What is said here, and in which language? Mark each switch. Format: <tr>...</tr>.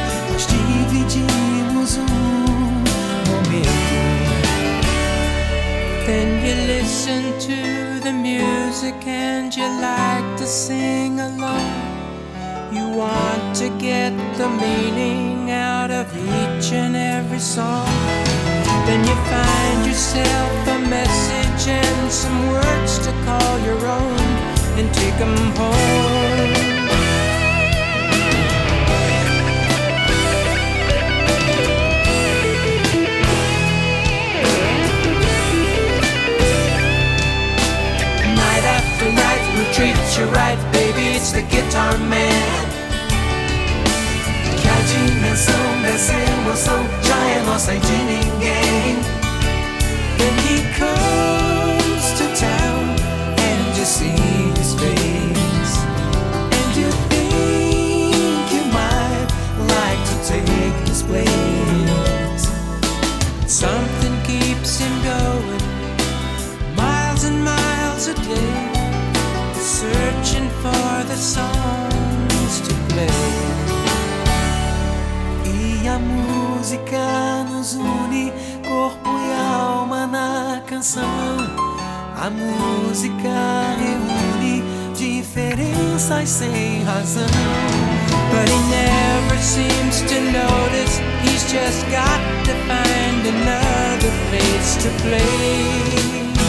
<pt>Nós dividimos um momento.</pt> <en>Then you listen to the music and you like to sing along. You want to get the meaning out of each and every song. Then you find yourself a message and some words to call your own and take them home. Night after night, who treats you right, baby, it's the guitar man.</en> <pt>Dimensão dessa emoção já é nossa e de ninguém.</pt> <en>When he comes to town and you see his face, and you think you might like to take his place. Something keeps him going miles and miles a day, searching for the songs to play.</en> <pt>A música nos une, corpo e alma na canção. A música reúne diferenças sem razão.</pt> <en>But he never seems to notice, he's just got to find another place to play.</en>